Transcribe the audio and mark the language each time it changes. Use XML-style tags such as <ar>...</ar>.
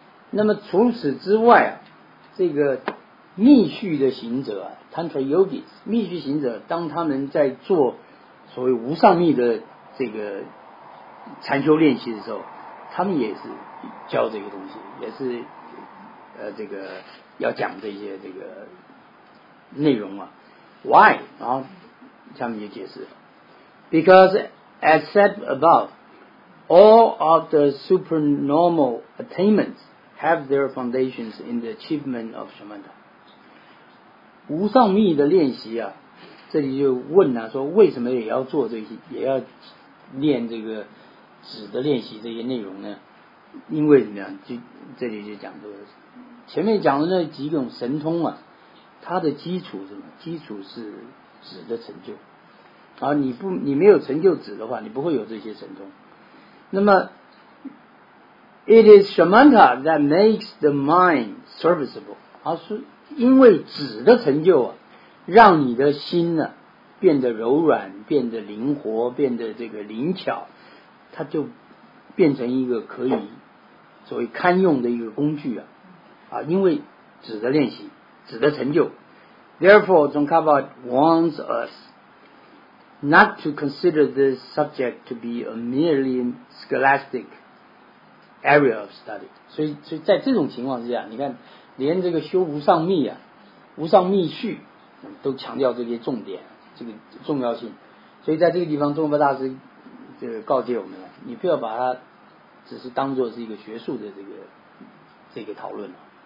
<zh>那么除此之外啊，这个密续的行者啊 ，Tantra Yogis， 密续行者，当他们在做所谓无上密的这个禅修练习的时候，他们也是教这个东西，也是这个要讲这些这个内容啊。</zh> <en>Why？</en> <zh>然后下面就解释了。</zh> <en>Because as said above, all of the supernormal attainments have their foundations in the achievement of Shamatha.</en> <zh>无上密的练习啊，这里就问了说为什么也要做这些，也要练这个指的练习这些内容呢？因为怎么样，就这里就讲说前面讲的那几种神通啊，它的基础是什么？基础是指的成就。啊，你没有成就止的话，你不会有这些神通。那么</zh> <en>，it is shamatha that makes the mind serviceable。</en> <zh>啊，是因为止的成就啊，让你的心呢、啊、变得柔软，变得灵活，变得这个灵巧，它就变成一个可以所谓堪用的一个工具啊。啊，因为止的练习，止的成就 ，</zh> <en>therefore Tsongkhapa warns us。 Not to consider this subject to be a merely scholastic area of study.</en> <zh>所以在这种情况之下，你看，连这个修无上密啊，无上密续，都强调这些重点，这个重要性。所以在这个地方，中国大师这个告诫我们了，你不要把它只是当作是一个学术的这个讨论了。</zh>